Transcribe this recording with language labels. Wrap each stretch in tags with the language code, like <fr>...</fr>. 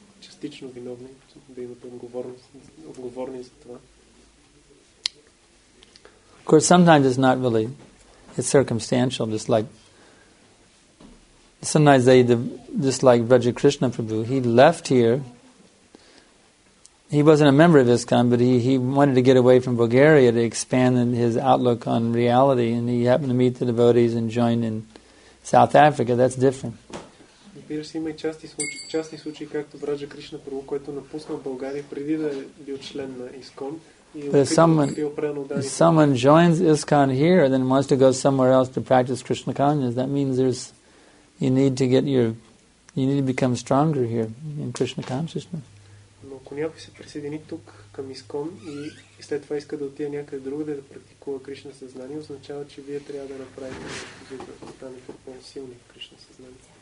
<bg>Частично виновни, да имате отговорни за това.</bg> <en>Of course, sometimes it's not really, it's circumstantial, just like sometimes they, just like Vraja Krishna Prabhu, he left here. He wasn't a member of ISKCON, but he wanted to get away from Bulgaria to expand his outlook on reality, and he happened to meet the devotees and join in South Africa. That's different. But if someone joins ISKCON here and then wants to go somewhere else to practice Krishna consciousness, that means you need to become stronger here in Krishna consciousness.</en> <bg>Ако някой се присъедини тук към ИСКОН и след това иска да отиде някъде другаде да практикува Кришна съзнание, означава, че вие трябва да направите да станете по-силни в Кришна съзнание.</bg>